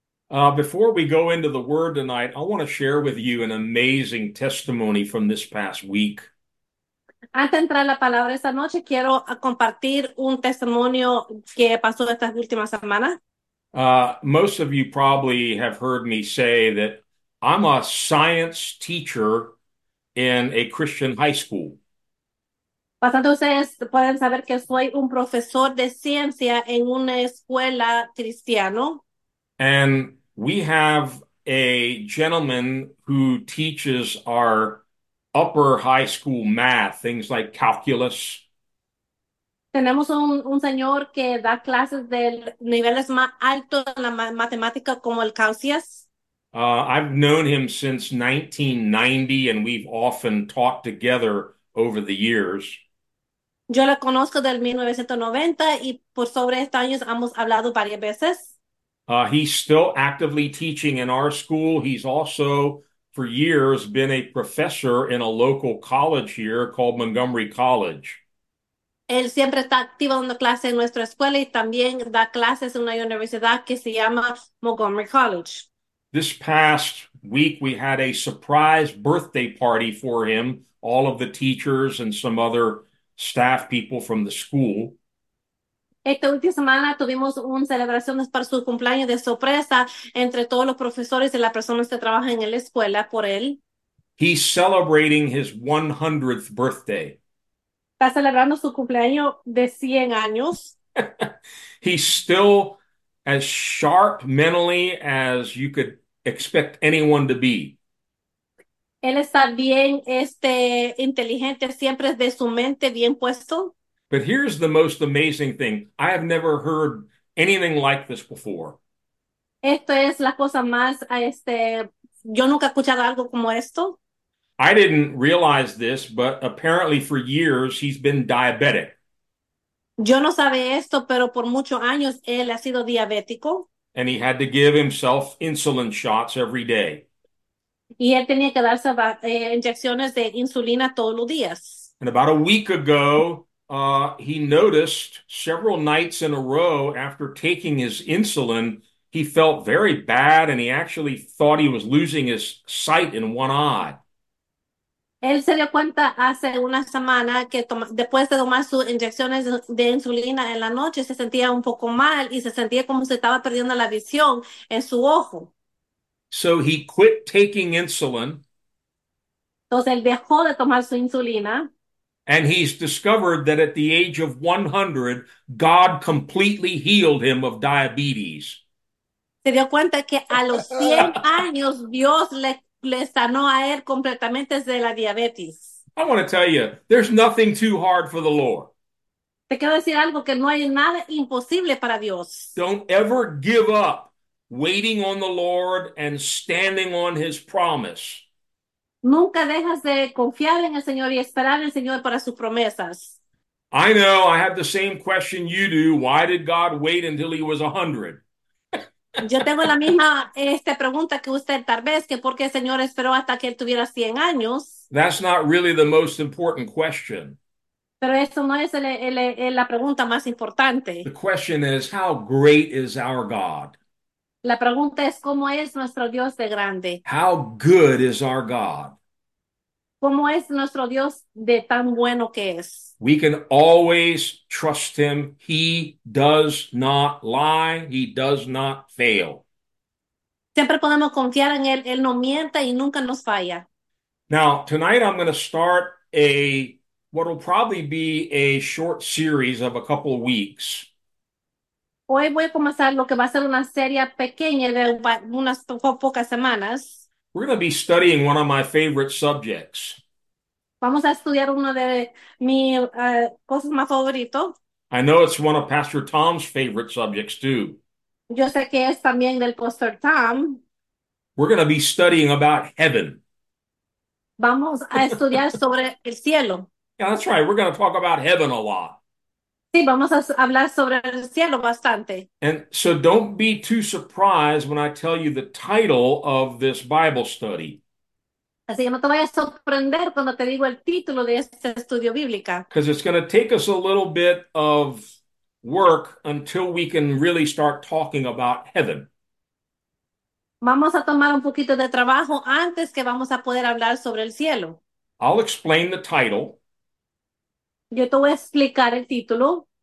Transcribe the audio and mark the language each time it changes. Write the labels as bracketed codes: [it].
[en] Before we go into the Word tonight, I want to share with you an amazing testimony from this past week. [es] Antes de entrar la palabra esta noche, quiero compartir un testimonio que pasó estas últimas semanas. [en] Most of you probably have heard me say that I'm a science teacher in a Christian high school. [es] Bastante ustedes pueden saber que soy un profesor de ciencia en una escuela cristiana. [en] And we have a gentleman who teaches our upper high school math, things like calculus. [es] Tenemos un señor que da clases de niveles más altos en la matemática como el calcias. [en] I've known him since 1990, and we've often taught together over the years. [es] Yo la conozco del 1990 y por sobre estos años hemos hablado varias veces. [en] He's still actively teaching in our school. He's also, for years, been a professor in a local college here called Montgomery College. [es] Él siempre está activo dando clases en nuestra escuela y también da clases en una universidad que se llama Montgomery College. [en] This past week, we had a surprise birthday party for him, all of the teachers and some other staff people from the school. [es] Esta última semana tuvimos una celebración para su cumpleaños de sorpresa entre todos los profesores y las personas que trabajan en la escuela por él. [en] He's celebrating his 100th birthday. [es] Está celebrando su cumpleaños de 100 años. [en] He's still as sharp mentally as you could expect anyone to be. [es] Él está bien, inteligente, siempre de su mente bien puesto. [en] But here's the most amazing thing. I have never heard anything like this before. [es] Esto es la cosa más, yo nunca he escuchado algo como esto. [en] I didn't realize this, but apparently for years he's been diabetic. [es] Yo no sabía esto, pero por muchos años él ha sido diabético. [en] And he had to give himself insulin shots every day. [es] Y él tenía que darse inyecciones de insulina todos los días. [en] And about a week ago, he noticed several nights in a row after taking his insulin, he felt very bad and he actually thought he was losing his sight in one eye. [es] Él se dio cuenta hace una semana que después de tomar sus inyecciones de insulina en la noche se sentía un poco mal y se sentía como si estaba perdiendo la visión en su ojo. [en] So he quit taking insulin, [es] Entonces él dejó de tomar su insulina. [en] and he's discovered that at the age of 100, God completely healed him of diabetes. [es] Se dio cuenta que a los 100 años Dios le sanó a él completamente desde la diabetes. [en] I want to tell you, there's nothing too hard for the Lord. [es] Te quiero decir algo, que no hay nada imposible para Dios. [en] Don't ever give up waiting on the Lord and standing on his promise. [es] Nunca dejas de confiar en el Señor y esperar en el Señor para sus promesas. [en] I know I have the same question you do. Why did God wait until he was 100? [es] Yo tengo la misma pregunta que usted, tal vez, que por qué el Señor esperó hasta que él tuviera 100 años. [en] That's not really the most important question. [es] Pero eso no es la pregunta más [en] The [es] importante. [en] question is, how great is our God? [es] La pregunta es, ¿cómo es nuestro Dios de grande? [en] How good is our God? [es] ¿Cómo es nuestro Dios de tan bueno que es? [en] We can always trust him. He does not lie. He does not fail. [es] Siempre podemos confiar en él. Él no miente y nunca nos falla. [en] Now, tonight I'm going to start a what will probably be a short series of a couple of weeks. [es] Hoy voy a comenzar lo que va a ser una serie pequeña de unas po pocas semanas. [en] We're going to be studying one of my favorite subjects. [es] Vamos a estudiar uno de mis cosas más favoritos. [en] I know it's one of Pastor Tom's favorite subjects, too. [es] Yo sé que es también del Pastor Tom. [en] We're going to be studying about heaven. [es] Vamos a [en] Yeah, [es] estudiar sobre el cielo. [en] that's right. We're going to talk about heaven a lot. [es] Sí, vamos a hablar sobre el cielo bastante. [en] And so don't be too surprised when I tell you the title of this Bible study. [es] Así que no te vayas a sorprender cuando te digo el título de este estudio bíblica. [en] Because it's going to take us a little bit of work until we can really start talking about heaven. [es] Vamos a tomar un poquito de trabajo antes que vamos a poder hablar sobre el cielo. [en] I'll explain the title. [es] Yo te voy a explicar el título.